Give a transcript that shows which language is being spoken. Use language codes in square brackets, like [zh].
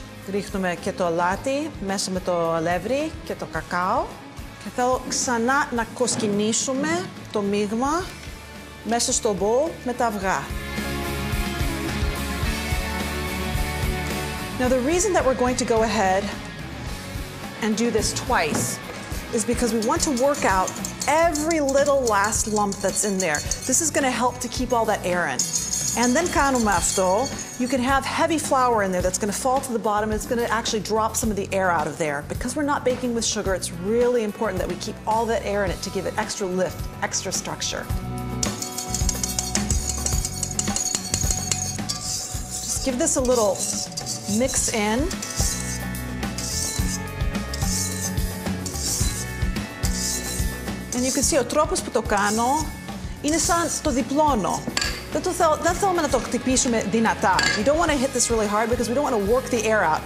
[el] Ρίχνουμε και το αλάτι μέσα με το αλεύρι και το κακάο. Και θέλω ξανά να κοσκινήσουμε το μείγμα μέσα στο μπολ με τα αυγά. [en] Now the reason that we're going to go ahead and do this twice is because we want to work out every little last lump that's in there. This is going to help to keep all that air in. And then [el] κάνουμε αυτό. [en] You can have heavy flour in there that's going to fall to the bottom. It's going to actually drop some of the air out of there. Because we're not baking with sugar, it's really important that we keep all that air in it to give it extra lift, extra structure. Just give this a little mix in. And you can see, [el] ο τρόπος που το κάνω είναι σαν το διπλώνω. Δεν θέλουμε να το χτυπήσουμε δυνατά. [en] You don't want to hit this really hard because we don't want to work the air out.